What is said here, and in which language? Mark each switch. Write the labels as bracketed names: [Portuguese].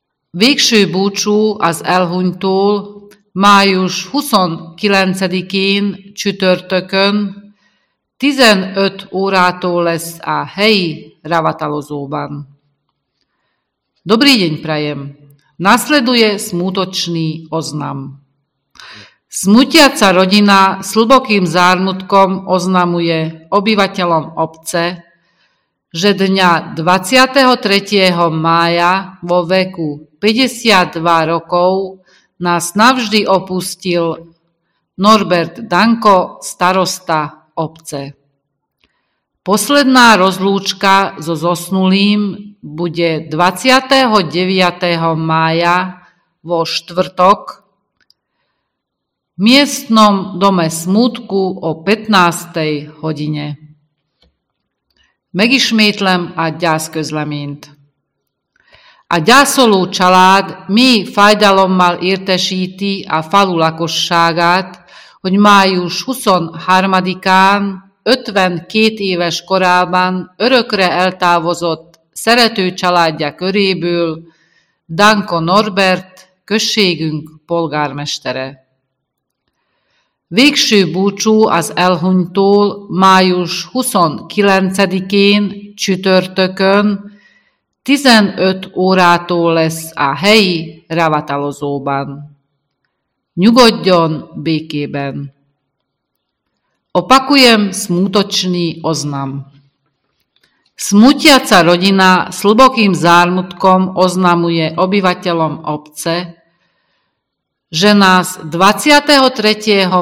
[Hungarian] Végső búcsú az elhunytól május 29-én csütörtökön 15 órától lesz a helyi ravatalozóban. [Slovak] Dobrý deň prajem. Nasleduje smutočný oznam. Smutiaca rodina s hlbokým zármutkom oznamuje obyvateľom obce, že dňa 23. mája vo veku 52 rokov nás navždy opustil Norbert Danko, starosta obce. Posledná rozlúčka so zosnulým bude 29. mája vo štvrtok v miestnom dome smútku o 15. hodine. [Hungarian] Megismétlem a gyászközleményt. A gyászoló család mély fájdalommal értesíti a falu lakosságát, hogy május 23-án 52 éves korában örökre eltávozott szerető családja köréből Danko Norbert, községünk polgármestere. Végső búcsú az elhunytól május 29-én csütörtökön 15 órától lesz a helyi ravatalozóban. Nyugodjon békében! [Slovak] Opakujem smutočný oznam. Smutiaca rodina s hlbokým zármutkom oznamuje obyvateľom obce, že nás 23.